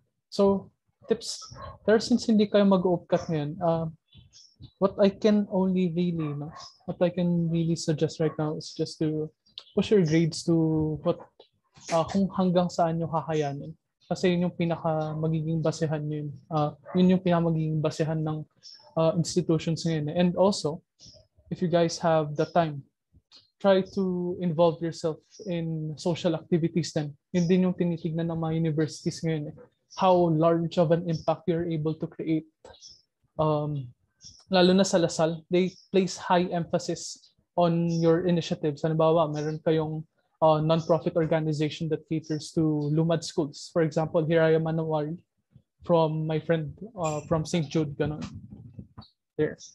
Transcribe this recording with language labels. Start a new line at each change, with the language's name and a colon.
English: So, tips. Pero since
Filipino: hindi kayo mag-UPCAT ngayon,
English: what I can really suggest right now is just to push your grades to what,
Filipino: kung hanggang saan nyo hahayanin. Kasi yun yung pinaka magiging basehan yun. Yun yung pinaka magiging basehan ng institutions ngayon.
English: And also, if you guys have the time, try to involve yourself in social activities then.
Filipino: Yun din yung tinitignan ng mga universities ngayon.
English: How large of an impact you're able to create.
Filipino: Lalo na sa Lasal,
English: they place high emphasis on your initiatives.
Filipino: Halimbawa, meron kayong
English: non-profit organization that caters to Lumad schools. For example, here I am Manawari from my friend from St. Jude.
Filipino: Ganun.
English: There.